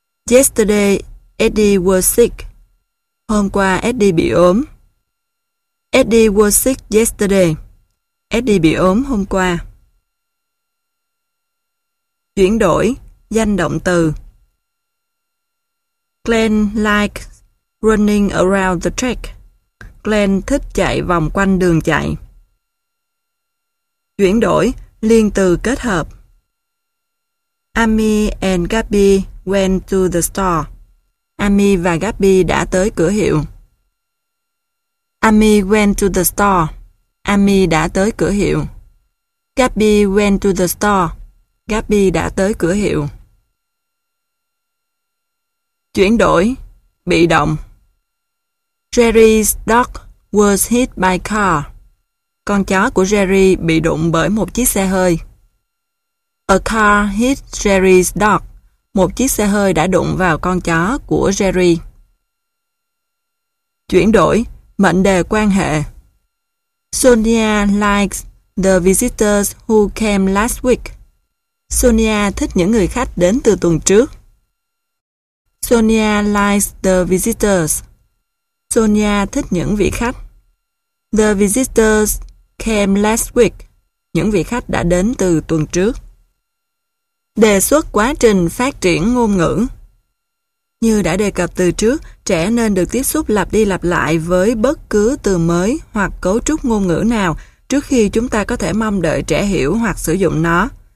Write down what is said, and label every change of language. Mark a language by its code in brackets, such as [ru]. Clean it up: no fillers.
[en] Yesterday Eddie was sick. [vi] Hôm qua Eddie bị ốm. [en] Eddie was sick yesterday. [vi] Eddie bị ốm hôm qua. Chuyển đổi danh động từ. [en] Glenn likes running around the track. [vi] Glenn thích chạy vòng quanh đường chạy. Chuyển đổi liên từ kết hợp. [en] Amy and Gabby went to the store. [vi] Amy và Gabby đã tới cửa hiệu. [en] Amy went to the store. [vi] Amy đã tới cửa hiệu. [en] Gabby went to the store. [vi] Gabby đã tới cửa hiệu. Chuyển đổi. Bị động. [en] Jerry's dog was hit by car. [vi] Con chó của Jerry bị đụng bởi một chiếc xe hơi. [en] A car hit Jerry's dog. [vi] Một chiếc xe hơi đã đụng vào con chó của Jerry. Chuyển đổi, mệnh đề quan hệ. [en] Sonia likes the visitors who came last week. [vi] Sonia thích những người khách đến từ tuần trước. [en] Sonia likes the visitors. [vi] Sonia thích những vị khách. [en] The visitors came last week. [vi] Những vị khách đã đến từ tuần trước. Đề xuất quá trình phát triển ngôn ngữ. Như đã đề cập từ trước, trẻ nên được tiếp xúc lặp đi lặp lại với bất cứ từ mới hoặc cấu trúc ngôn ngữ nào trước khi chúng ta có thể mong đợi trẻ hiểu hoặc sử dụng nó.